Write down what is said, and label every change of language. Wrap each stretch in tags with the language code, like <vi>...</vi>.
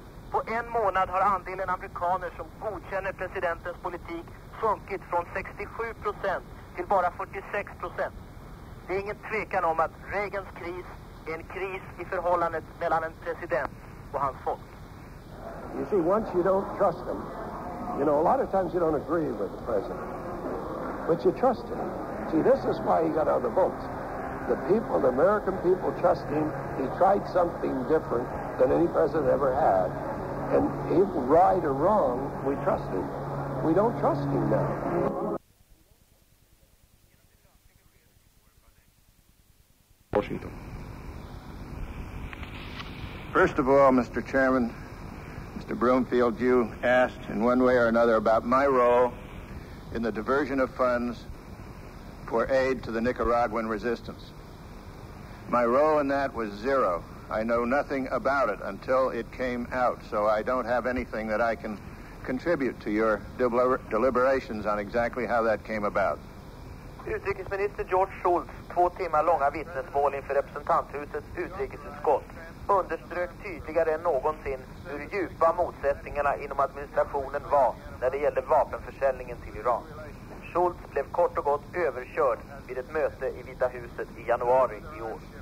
<sv>På en månad har andelen amerikaner som godkänner presidentens politik sjunkit från 67% till bara 46%. Det är ingen tvekan om att Reagans kris en kris i förhållandet mellan en president och hans folk.</sv> <en>You see, once you don't trust him, you know, a lot of times you don't agree with the president, but you trust him. See, this is why he got out of the votes. The people, the American people trust him. He tried something different than any president ever had. And if right or wrong, we trust him. We don't trust him now. Washington. First of all, Mr. Chairman, Mr. Broomfield, you asked in one way or another about my role in the diversion of funds for aid to the Nicaraguan resistance. My role in that was zero. I know nothing about it until it came out, so I don't have anything that I can contribute to your deliberations on exactly how that came about.</en> <sv>Utrikesminister George Shultz, 2 timmar långa vittnesmål inför representanthusets utrikesutskott, underströk tydligare än någonsin hur djupa motsättningarna inom administrationen var när det gällde vapenförsäljningen till Iran. Shultz blev kort och gott överkörd vid ett möte i Vita huset i januari i år.</sv>